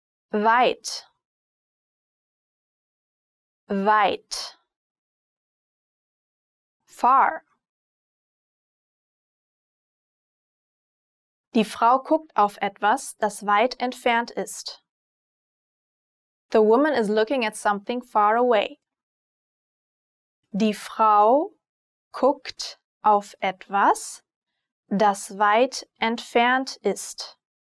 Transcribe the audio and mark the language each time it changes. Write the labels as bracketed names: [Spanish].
[German] Weit. Weit. [English] Far. [German] Die Frau guckt auf etwas, das weit entfernt ist. [English] The woman is looking at something far away. [German] Die Frau guckt auf etwas, das weit entfernt ist.